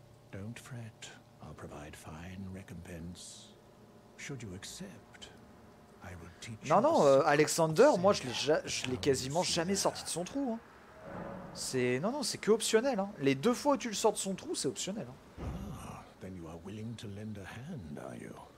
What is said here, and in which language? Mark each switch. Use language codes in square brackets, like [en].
[en] Don't fret, I'll provide fine recompense. Should you accept, I will teach you. [fr] Non, non, Alexander, moi je l'ai quasiment jamais sorti de son trou. Hein. C'est. Non, non, c'est que optionnel. Hein. Les deux fois où tu le sors de son trou, c'est optionnel. Hein. [en] Ah, then you are willing to lend a hand, are you?